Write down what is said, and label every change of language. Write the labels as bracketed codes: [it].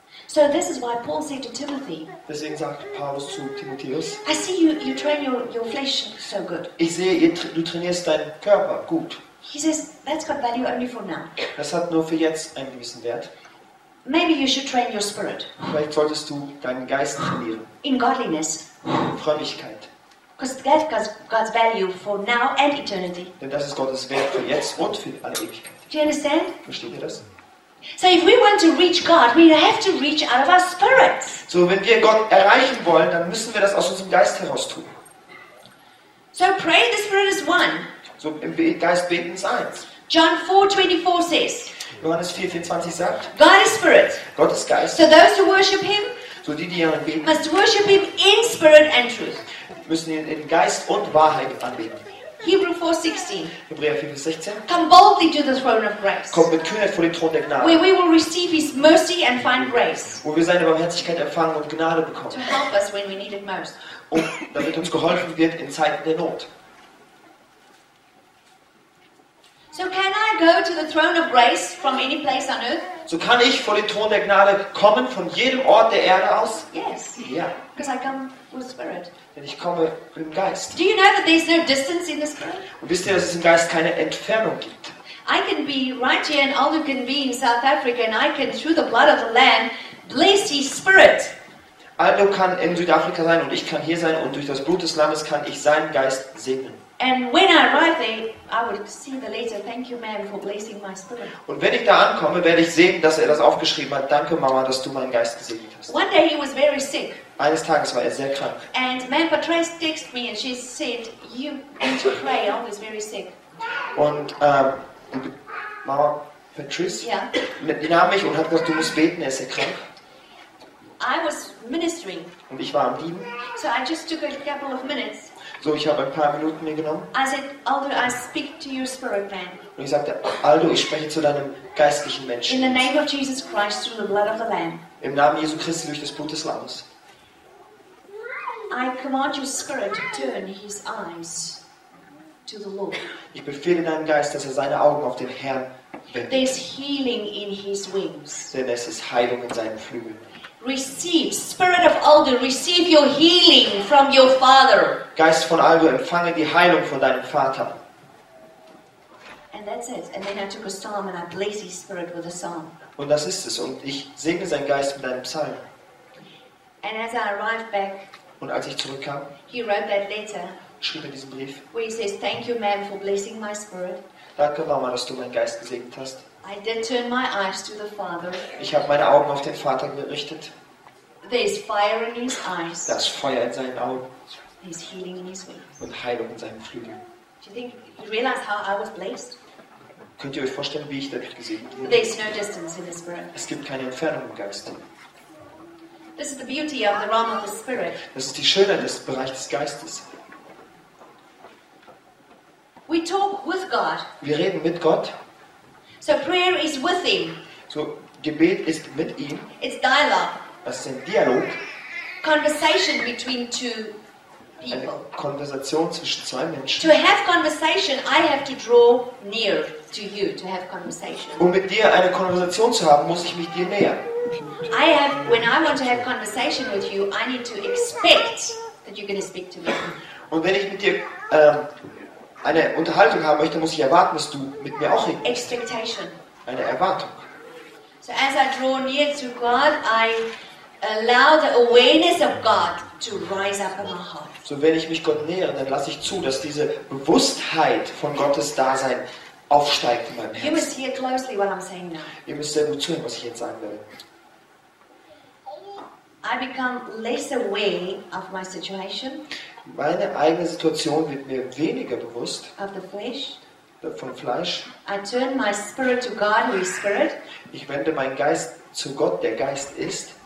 [en] So this is why Paul said to Timothy, [de] deswegen sagt Paulus zu Timotheus, [en] I see you train your flesh so good. [de] Ich sehe, du trainierst deinen Körper gut. [en] He says, that's got value only for now. [de] Das hat nur für jetzt einen gewissen Wert. [en] Maybe you should train your spirit. [de] Vielleicht solltest du deinen Geist trainieren. [en] In godliness. [de] In Frömmigkeit. [en] Because that's God's value for now and eternity. [de] Denn das ist Gottes Wert für jetzt und für alle Ewigkeit. [en] Do you understand? [de] Versteht ihr das? [en] So if we want to reach God, we have to reach out of our spirits. [de] So wenn wir Gott erreichen wollen, dann müssen wir das aus unserem Geist heraus tun. [en] So pray the spirit is one. [de] So im Geist beten ist eins. [en] John 4:24 says. [de] Johannes 4:24 sagt. [en] God is spirit. [de] Gott ist Geist. [en] So those who worship him, [de] so die ihn anbeten, [en] must worship him in spirit and truth. [de] Müssen ihn in Geist und Wahrheit anbeten. [en] Hebrews 4:16. Come boldly to the throne of grace. [de] Kommt mit Kühnheit vor den Thron der Gnade. [en] Where we will receive his mercy and find grace. [de] Wo wir seine Barmherzigkeit empfangen und Gnade bekommen. [en] To help us when we need it most. [de] Und damit uns geholfen wird in Zeiten der Not. [en] So can I go to the throne of grace from any place on earth? [de] So kann ich vor den Thron der Gnade kommen von jedem Ort der Erde aus? [en] Yes. Yeah. Because I come with spirit. [de] Denn ich komme im Geist. [en] Do you know that there's no distance in the spirit? [de] Und wisst ihr, dass es im Geist keine Entfernung gibt? [en] I can be right here and Aldo can be in South Africa and I can through the blood of the Lamb bless his spirit. [de] Aldo kann in Südafrika sein und ich kann hier sein und durch das Blut des Lammes kann ich seinen Geist segnen. [en] And when I arrive there, I would see the letter. Thank you, ma'am, for blessing my spirit. [de] Und wenn ich da ankomme, werde ich sehen, dass er das aufgeschrieben hat. Danke, Mama, dass du meinen Geist gesegnet hast. [en] One day he was very sick. [de] Eines Tages war er sehr krank. [en] And ma'am Patrice texted me and she said, you need to pray. I was very sick. [de] Und Mama Patrice, [en] yeah, [de] nahm mich und hat gesagt, du musst beten, er ist sehr krank. [en] I was ministering. [de] Und ich war am Dienen. [en] So I just took a couple of minutes. [de] So, ich habe ein paar Minuten mir genommen. [en] I said, Aldo, I speak to your spirit man. [de] Und ich sagte, Aldo, ich spreche zu deinem geistlichen Menschen. [en] In the name of Jesus Christ, through the blood of the Lamb. [de] Im Namen Jesu Christi durch das Blut des Lammes. [en] I command your spirit to turn his eyes to the Lord. [de] Ich befehle deinem Geist, dass er seine Augen auf den Herrn wendet. [en] There's healing in his wings. [de] Denn es ist Heilung in seinen Flügeln. [en] Receive, Spirit of Aldo, receive your healing from your Father. [de] Geist von Aldo, empfange die Heilung von deinem Vater. [en] And that's it. And then I took a psalm and I bless his spirit with a psalm. [de] Und das ist es. Und ich segne seinen Geist mit einem Psalm. [en] And as I arrived back, [de] und als ich zurückkam, [en] he wrote that letter, [de] schrieb er diesen Brief, [en] where he says, thank you, ma'am, for blessing my spirit. [de] Danke, Mama, dass du meinen Geist gesegnet hast. [en] I did turn my eyes to the Father. [de] Ich habe meine Augen auf den Vater gerichtet. [en] There is fire in his eyes. [de] Da ist Feuer in seinen Augen. [en] There is healing in his wings. [de] Und Heilung in seinen Flügeln. [en] Do you think you realize how I was blessed? [de] Könnt ihr euch vorstellen, wie ich dadurch gesehen wurde? [en] There is no distance in the Spirit. [de] Es gibt keine Entfernung im Geist. [en] This is the beauty of the realm of the Spirit. [de] Das ist die Schönheit des Bereichs des Geistes. [en] We talk with God. [de] Wir reden mit Gott. [en] So prayer is with him. [de] So Gebet ist mit ihm. [en] It's dialogue. [de] Das ist ein Dialog. [en] Conversation between two people. [de] Eine Konversation zwischen zwei Menschen. [en] To have conversation, I have to draw near to you to have conversation. [de] Um mit dir eine Konversation zu haben, muss ich mich dir nähern. [en] I have, when I want to have conversation with you, I need to expect that you're going to speak to me. [de] Und wenn ich mit dir eine Unterhaltung haben möchte, muss ich erwarten, dass du mit mir auch redest. [en] Expectation. [de] Eine Erwartung. [en] So as I draw near to God, I allow the awareness of God to rise up in my heart. [de] So wenn ich mich Gott nähere, dann lasse ich zu, dass diese Bewusstheit von Gottes Dasein aufsteigt in meinem Herz. [en] You must hear closely what I'm saying now. [de] Ihr müsst sehr gut zuhören, was ich jetzt sagen werde. [en] I become less aware of my situation. [de] Meine eigene Situation wird mir weniger bewusst. [en] Of the flesh. [de] Von Fleisch. [en] I turn my spirit to God, who is spirit. [de] Ich wende meinen Geist zu Gott, der Geist ist.